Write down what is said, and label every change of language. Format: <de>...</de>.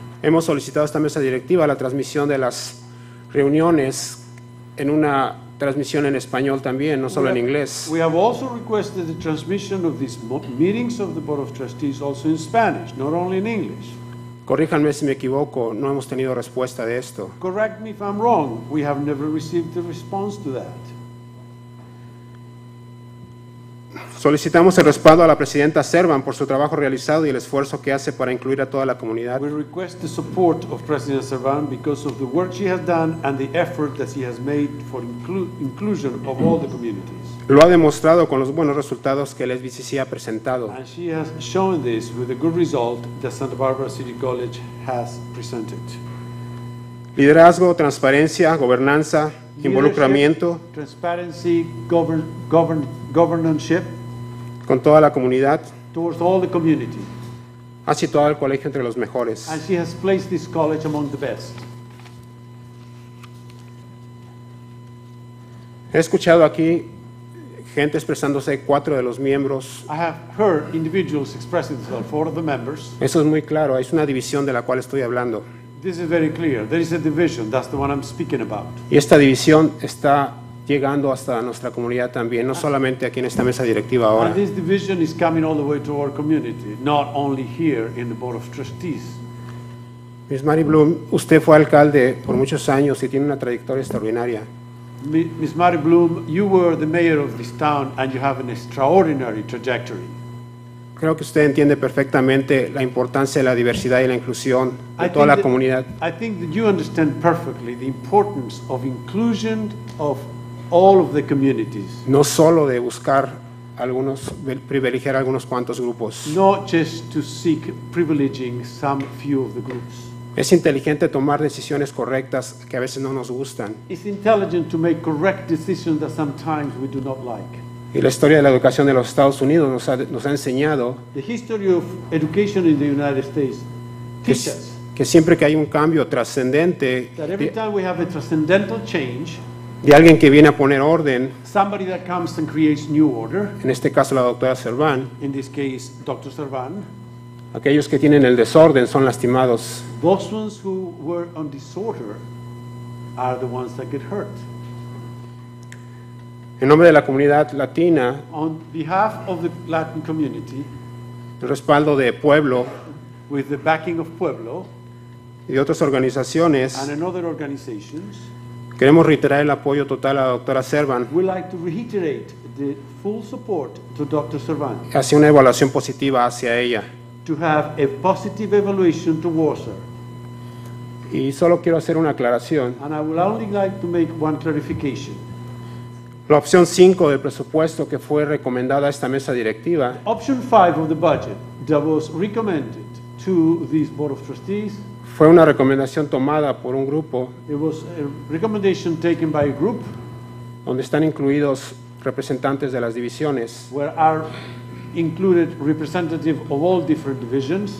<es>Hemos solicitado a esta mesa directiva la transmisión de las reuniones en una transmisión en español también, no solo en inglés.</es> <en>We have also requested the transmission of these meetings of the Board of Trustees also in Spanish, not only in English.</en> <es>Corríjanme si me equivoco, no hemos tenido respuesta de esto.</es> <en>Correct me if I'm wrong, we have never received a response to that.</en> <es>Solicitamos el respaldo a la presidenta Servan por su trabajo realizado y el esfuerzo que hace para incluir a toda la comunidad.</es> <en>We request the support of President Servan because of the work she has done and the effort that she has made for inclusion of all the communities.</en> <es>Lo ha demostrado con los buenos resultados que el SBCC ha presentado.</es> <en>And she has shown this with the good result that Santa Barbara City College has presented.</en> <es>Liderazgo, transparencia, gobernanza, involucramiento.</es> <en>Leadership, transparency, governorship.</en> <es>Con toda la comunidad.</es> <en>Towards all the community.</en> <es>Ha situado al colegio entre los mejores.</es> <en>And she has placed this college among the best.</en> <es>He escuchado aquí gente expresándose, cuatro de los miembros.</es> <en>I have heard individuals expressing themselves, four of the members.</en> <es>Eso es muy claro, es una división de la cual estoy hablando.</es> <en>This is very clear. There is a division. That's the one I'm speaking about.</en> <es>Y esta división está llegando hasta nuestra comunidad también, no solamente aquí en esta mesa directiva ahora.</es> <en>And this division is coming all the way to our community, not only here in the Board of Trustees. Ms.</en> <es>Mary Bloom, usted fue alcalde por muchos años y tiene una trayectoria extraordinaria.</es> <en>Ms. Mary Bloom, you were the mayor of this town and you have an extraordinary trajectory.</en> <es>Creo que usted entiende perfectamente la importancia de la diversidad y la inclusión de toda la comunidad.</es> <en>I think that you understand perfectly the importance of inclusion of all of the communities.</en> <es>No solo de buscar algunos, privilegiar algunos cuantos grupos.</es> <en>Not just to seek privileging some few of the groups.</en> <es>Es inteligente tomar decisiones correctas que a veces no nos gustan.</es> <en>It's intelligent to make correct decisions that sometimes we do not like.</en> <es>Y la historia de la educación de los Estados Unidos nos ha enseñado</es> <en>the history of education in the United States teaches</en> <es>que siempre que hay un cambio trascendente,</es> <en>that every time we have a transcendental change,</en> <es>de alguien que viene a poner orden,</es> <en>somebody that comes and creates new order,</en> <es>en este caso la doctora Servan,</es> <en>in this case Dr. Servan,</en> <es>aquellos que tienen el desorden son lastimados.</es> <en>Those ones who were on disorder are the ones that get hurt.</en> <es>En nombre de la comunidad latina,</es> <en>on behalf of the Latin community,</en> <es>el respaldo de Pueblo,</es> <en>with the backing of Pueblo,</en> <es>y otras organizaciones,</es> <en>and other organizations,</en> <es>queremos reiterar el apoyo total a la doctora Servan.</es> <en>We like to reiterate the full support to Dr. Servan.</en> <es>Hacia una evaluación positiva hacia ella.</es> <en>To have a positive evaluation towards her.</en> <es>Y solo quiero hacer una aclaración.</es> <en>And I would only like to make one clarification.</en> <es>La opción 5 del presupuesto que fue recomendada a esta mesa directiva.</es> <en>Option 5 of the budget that was recommended to this Board of Trustees.</en> <es>Fue una recomendación tomada por un grupo.</es> <en>It was a recommendation taken by a group.</en> <es>Donde están incluidos representantes de las divisiones.</es> <en>Where are included representatives of all different divisions.</en>